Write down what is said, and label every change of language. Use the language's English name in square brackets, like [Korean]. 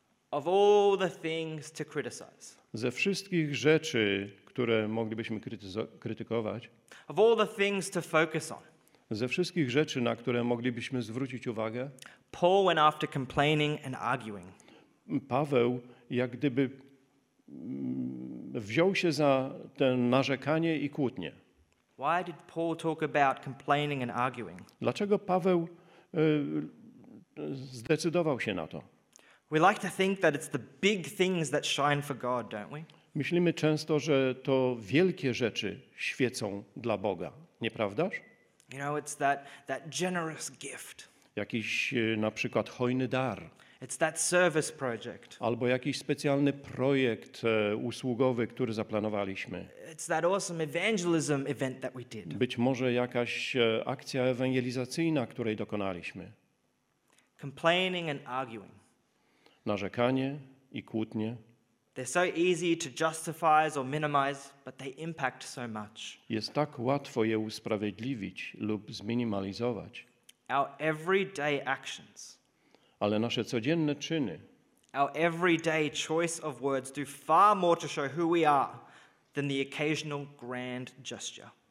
[English] Of all the things to criticize. [Polish] Ze wszystkich rzeczy, które moglibyśmy krytykować. [English] Of all the things to focus on. [Polish] Ze wszystkich rzeczy, na które moglibyśmy zwrócić uwagę. [English] Paul went after complaining and arguing. [Polish] Paweł jak gdyby wziął się za to narzekanie i kłótnie. [English] Why did Paul talk about complaining and arguing? [Polish] Dlaczego Paweł zdecydował się na to? [English] We like to think that it's the big things that shine for God, don't we? [Polish] Myślimy często, że to wielkie rzeczy świecą dla Boga, nieprawdaż? [English] You know, it's that generous gift. [Polish] Jakiś na przykład hojny dar. [English] It's that service project. [Polish] Albo jakiś specjalny projekt usługowy, który zaplanowaliśmy. [English] It's that awesome evangelism event that we did. [Polish] Być może jakaś akcja ewangelizacyjna, której dokonaliśmy. [English] Complaining and arguing. [Polish] Narzekanie i kłótnie. [English] They're so easy to justify or minimize, but they impact so much. [Polish] Jest tak łatwo je usprawiedliwić lub zminimalizować. [English] Our everyday actions. [Polish] Ale nasze codzienne czyny. [English] Our everyday choice of words do far more to show who we are than the occasional grand gesture.